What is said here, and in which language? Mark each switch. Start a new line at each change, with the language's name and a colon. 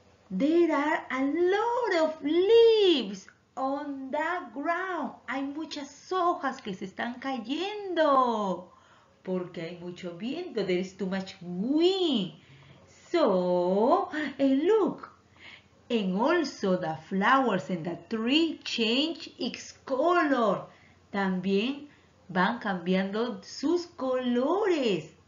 English: There are a lot of leaves. On the ground
Spanish: hay muchas hojas que se están cayendo porque hay mucho viento.
English: There is too much wind. So, and look. And also the flowers and the tree change its color.
Spanish: También van cambiando sus colores.